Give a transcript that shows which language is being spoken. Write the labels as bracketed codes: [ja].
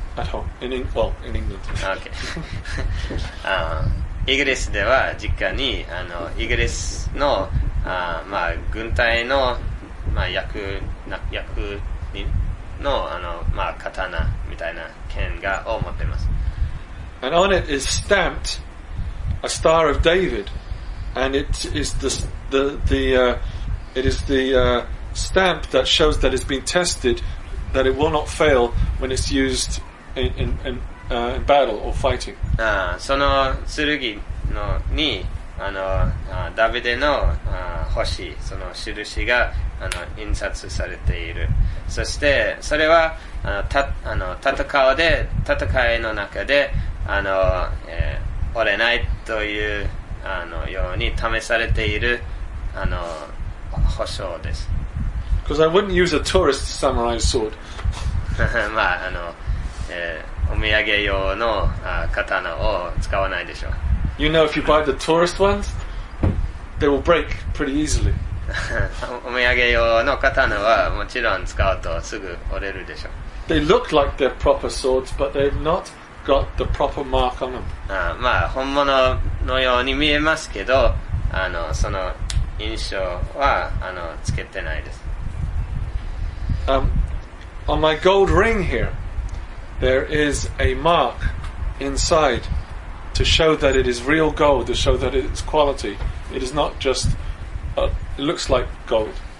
[en] At home, in England. Okay. [ja] イギリスでは実家にあのイギリスのあ、まあ、軍隊の、まあ、役人 の, あの、まあ、刀みたいな剣がを持っています。 [en] And on it is stamped a Star of David, and it is the stamp that shows that it's been tested, that it will not fail when it's used in battle or fighting. [ja] その剣のにあのダビデの星その印があの印刷されている。そしてそれはあのたあの戦うで戦いの中で。あの、折れないというあのように試されているあの保証です。 [en] Because I wouldn't use a tourist samurai sword. [ja] まああの、お土産用の刀を使わないでしょう。 [en] You know if you buy the tourist ones, they will break pretty easily. [ja] お土産用の刀はもちろん使うとすぐ折れるでしょう。 [en] They look like they're proper swords, but they're not. Got the proper mark on them. [ja] まあ本物のように見えますけど、あのその印象はあのつけてないです。 [en] On my gold ring here, there is a mark inside to show that it is real gold, to show that it's quality. It is not just, it looks like gold.